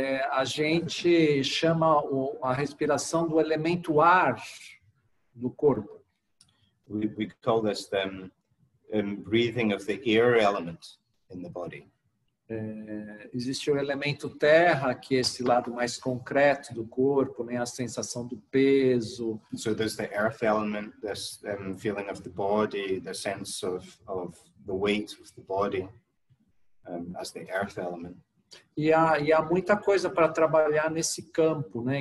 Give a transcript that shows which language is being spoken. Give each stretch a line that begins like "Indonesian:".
Portuguese: a gente chama a respiração do elemento ar do corpo.
English: We call this the breathing of the air element in the body.
Portuguese: Existe o elemento terra, que é esse lado mais concreto do corpo, né? A sensação do peso.
English: So there's the earth element, this feeling of the body, the sense of the weight of the body as the earth element.
Portuguese: E há muita coisa para trabalhar nesse campo, né?